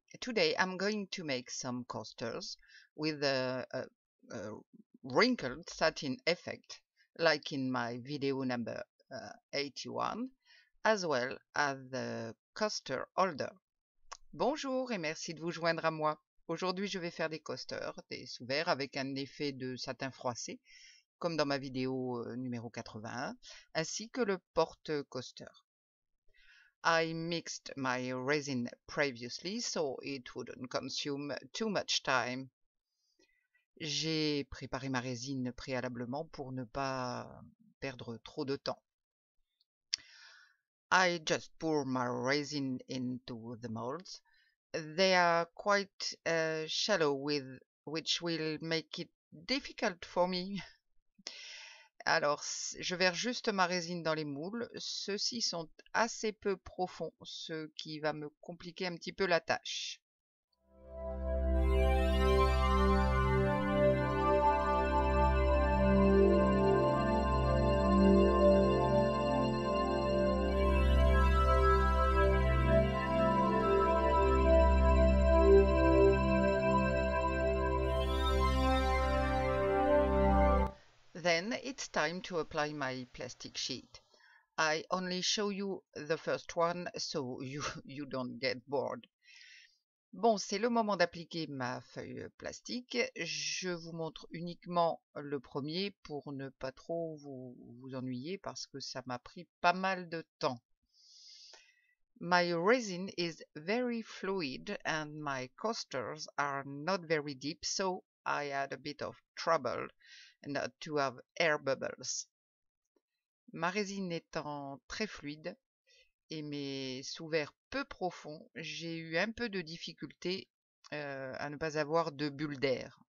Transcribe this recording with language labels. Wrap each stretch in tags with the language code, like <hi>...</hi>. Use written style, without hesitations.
<en>Today I'm going to make some coasters with a wrinkled satin effect, like in my video number 81, as well as the coaster holder.</en> <fr>Bonjour et merci de vous joindre à moi. Aujourd'hui je vais faire des coasters, des sous-verts avec un effet de satin froissé, comme dans ma vidéo numéro 81, ainsi que le porte-coaster.</fr> <en>I mixed my resin previously so it wouldn't consume too much time.</en> <fr>J'ai préparé ma résine préalablement pour ne pas perdre trop de temps.</fr> <en>I just pour my resin into the molds. They are quite shallow which will make it difficult for me.</en> <fr>Alors, je verse juste ma résine dans les moules. Ceux-ci sont assez peu profonds, ce qui va me compliquer un petit peu la tâche.</fr> <en>Then it's time to apply my plastic sheet. I only show you the first one so you don't get bored.</en> <fr>Bon, c'est le moment d'appliquer ma feuille plastique. Je vous montre uniquement le premier pour ne pas trop vous ennuyer parce que ça m'a pris pas mal de temps.</fr> <en>My resin is very fluid and my coasters are not very deep, so I had a bit of trouble not to have air bubbles.</en> <fr>Ma résine étant très fluide et mes sous-verts peu profonds, j'ai eu un peu de difficulté à ne pas avoir de bulles d'air.</fr>